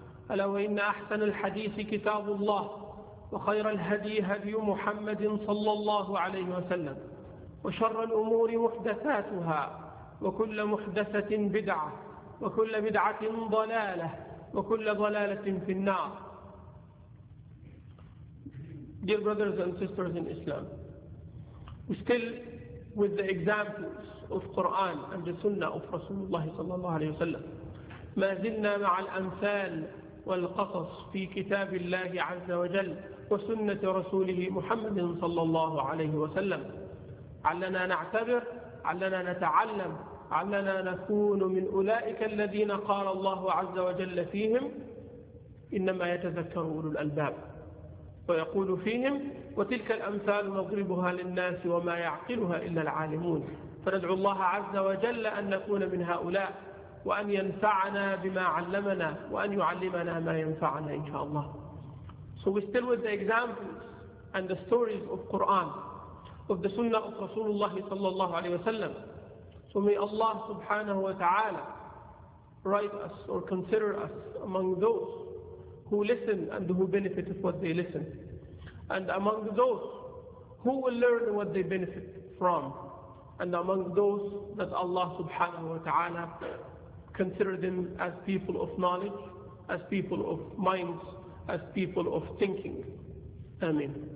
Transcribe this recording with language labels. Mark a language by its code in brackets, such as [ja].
[ar] ألا وإن أحسن الحديث كتاب الله، وخير الهدي هدي محمد صلى الله عليه وسلم، وشر الأمور محدثاتها، وكل محدثة بدعة، وكل بدعة ضلالة، وكل ضلالة في النار. [en] Dear brothers and sisters in Islam, we still with the examples of Quran and the Sunnah of Rasulullah صلى الله عليه وسلم. [ar] ما زلنا مع الأمثال والقصص في كتاب الله عز وجل وسنة رسوله محمد صلى الله عليه وسلم. علنا نعتبر، علنا نتعلم، علنا نكون من أولئك الذين قال الله عز وجل فيهم إنما يتذكر أولو الألباب، ويقول فيهم وتلك الأمثال نضربها للناس وما يعقلها إلا العالمون. فندعو الله عز وجل أن نكون من هؤلاء وأن ينفعنا بما علمنا وأن يعلمنا ما ينفعنا إن شاء الله. [en] So we still with the examples and the stories of Quran, of the Sunnah of Rasulullah صلى الله عليه وسلم. So may Allah subhanahu wa ta'ala write us or consider us among those who listen and who benefit of what they listen, and among those who will learn what they benefit from, and among those that Allah subhanahu wa ta'ala consider them as people of knowledge, as people of minds, as people of thinking. Ameen.